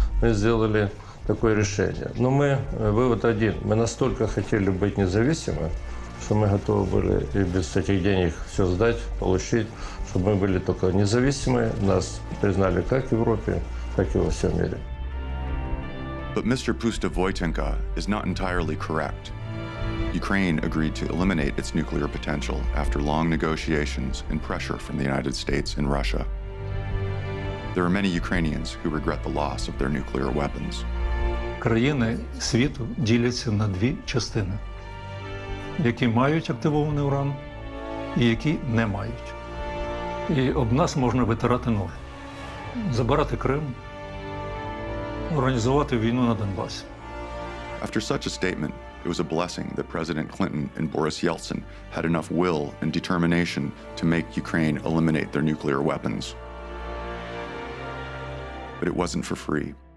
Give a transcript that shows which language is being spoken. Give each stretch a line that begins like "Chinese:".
Russian: Мы сделали такое решение. Но мы, вывод один, мы настолько хотели быть независимы, что мы готовы были и без всяких денег все сдать, получить, чтобы мы были только независимы. Нас признали как в Европе, так и во всем мире.
English: But Mr. Pustovoitenko is not entirely correct. Ukraine agreed to eliminate its nuclear potential after long negotiations and pressure from the United States and Russia. There are many Ukrainians who regret the loss of their nuclear weapons.
Ukrainian: Країни світу діляться на дві частини, які мають активований уран і які не мають. І об нас можна витирати ноги, забирати Крим, організувати війну на Донбасі.
English: After such a statement, it was a blessing that President Clinton and Boris Yeltsin had enough will and determination to make Ukraine eliminate their nuclear weapons. But it wasn't for free.